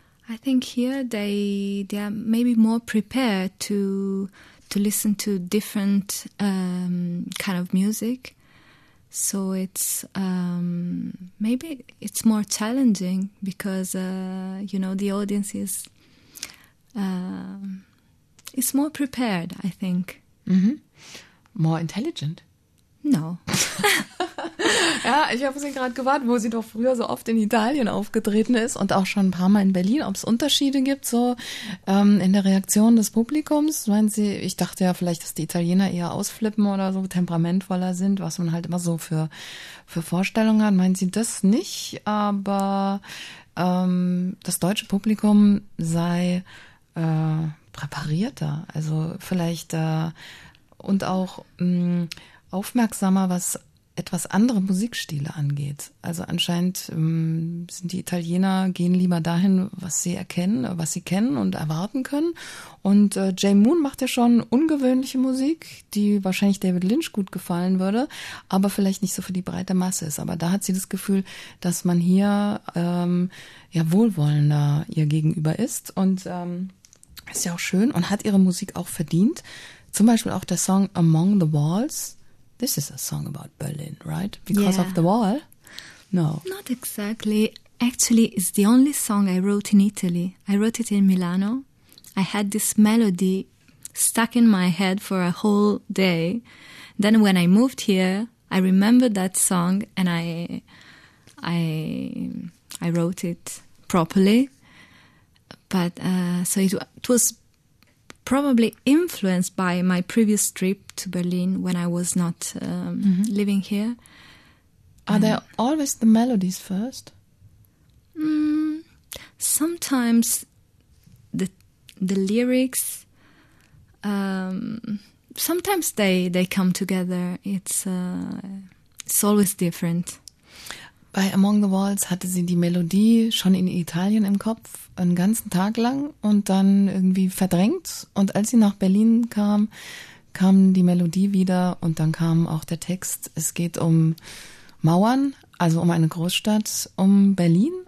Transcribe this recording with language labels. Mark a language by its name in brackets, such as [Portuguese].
[English] I think here they are maybe more prepared to listen to different kind of music. So it's maybe it's more challenging because, the audience is more prepared, I think. Mm-hmm. More intelligent? No. [German] Ja, ich habe sie gerade gewartet, wo sie doch früher so oft in Italien aufgetreten ist und auch schon ein paar Mal in Berlin, ob es Unterschiede gibt so in der Reaktion des Publikums. Meinen Sie, ich dachte ja vielleicht, dass die Italiener eher ausflippen oder so temperamentvoller sind, was man halt immer so für Vorstellungen hat. Meinen Sie das nicht, aber das deutsche Publikum sei präparierter, also vielleicht und auch aufmerksamer, was etwas andere Musikstile angeht. Also anscheinend sind die Italiener, gehen lieber dahin, was sie kennen und erwarten können. Und J-Moon macht ja schon ungewöhnliche Musik, die wahrscheinlich David Lynch gut gefallen würde, aber vielleicht nicht so für die breite Masse ist. Aber da hat sie das Gefühl, dass man hier wohlwollender ihr gegenüber ist. Und ist ja auch schön und hat ihre Musik auch verdient. Zum Beispiel auch der Song Among the Walls. [English] This is a song about Berlin, right? Because of the wall? No. Not exactly. Actually, it's the only song I wrote in Italy. I wrote it in Milano. I had this melody stuck in my head for a whole day. Then when I moved here, I remembered that song and I wrote it properly. But so it was probably influenced by my previous trip to Berlin when I was not living here. Are there always the melodies first? Sometimes the lyrics, sometimes they come together. It's always different. [German] Bei Among the Walls hatte sie die Melodie schon in Italien im Kopf, einen ganzen Tag lang und dann irgendwie verdrängt. Und als sie nach Berlin kam, kam die Melodie wieder und dann kam auch der Text. Es geht um Mauern, also um eine Großstadt, um Berlin.